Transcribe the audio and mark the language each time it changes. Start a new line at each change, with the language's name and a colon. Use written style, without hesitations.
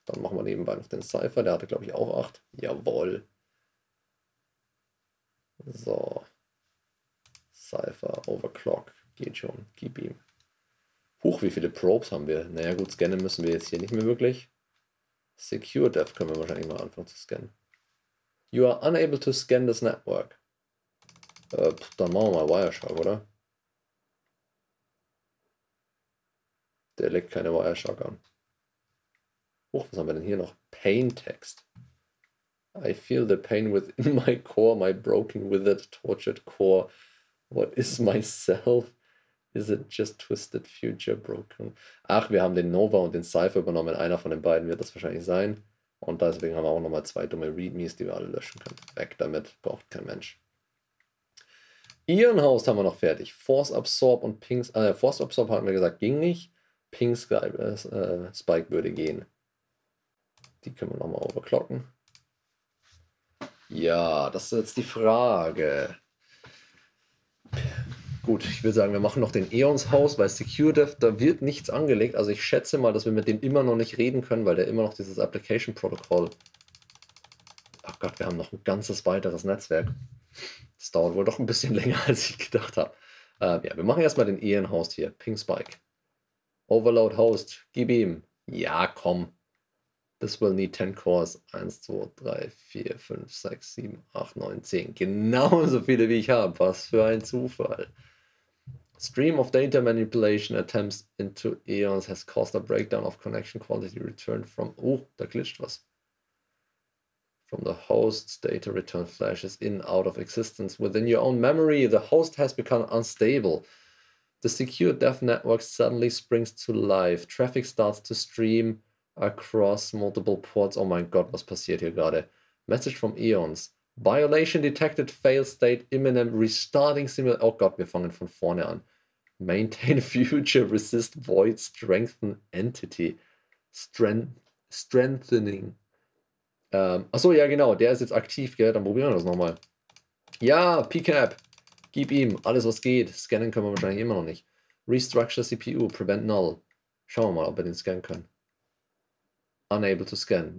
German: Dann machen wir nebenbei noch den Cypher. Der hatte, glaube ich, auch 8. Jawohl. So. Cypher, Overclock, geht schon, gib ihm. Huch, wie viele Probes haben wir? Naja, gut, scannen müssen wir jetzt hier nicht mehr wirklich. Secure Dev können wir wahrscheinlich mal anfangen zu scannen.
English: You are unable to scan this network.
German: Dann machen wir mal Wireshark, oder? Der legt keine Wireshark an. Huch, was haben wir denn hier noch?
English: Pain Text. I feel the pain within my core, my broken withered tortured core. What is myself? Is it just twisted future broken?
German: Ach, wir haben den Nova und den Cypher übernommen. Einer von den beiden wird das wahrscheinlich sein. Und deswegen haben wir auch nochmal zwei dumme Readmes, die wir alle löschen können. Weg damit, braucht kein Mensch. Ehrenhaus haben wir noch fertig. Force Absorb und Pings. Force Absorb hatten wir gesagt, ging nicht. Pink Spike würde gehen. Die können wir nochmal overclocken. Ja, das ist jetzt die Frage. Gut, ich würde sagen, wir machen noch den Eons Haus, weil SecureDev, da wird nichts angelegt. Also ich schätze mal, dass wir mit dem immer noch nicht reden können, weil der immer noch dieses Application Protocol. Ach Gott, wir haben noch ein ganzes weiteres Netzwerk. Das dauert wohl doch ein bisschen länger, als ich gedacht habe. Ja, wir machen erstmal den Eons Haus hier. Pink Spike. Overload Host, gib ihm. Ja, komm.
English: This will need 10 cores. 1, 2, 3, 4, 5, 6, 7, 8, 9, 10.
German: Genauso viele, wie ich habe. Was für ein Zufall.
English: Stream of data manipulation attempts into Eons has caused a breakdown of connection quality returned from...
German: Oh, da glitscht was.
English: From the host's data return flashes in out of existence. Within your own memory, the host has become unstable. The secure dev network suddenly springs to life. Traffic starts to stream across multiple ports.
German: Oh mein Gott, was passiert hier gerade?
English: Message from Eons. Violation detected, fail state imminent, restarting simulation.
German: Oh Gott, wir fangen von vorne an.
English: Maintain future, resist void, strengthen entity. Strengthening.
German: Achso, ja genau, der ist jetzt aktiv, gell? Dann probieren wir das nochmal. Ja, PCAP. Gib ihm alles, was geht. Scannen können wir wahrscheinlich immer noch nicht.
English: Restructure CPU, prevent null.
German: Schauen wir mal, ob wir den scannen können.
English: Unable to scan.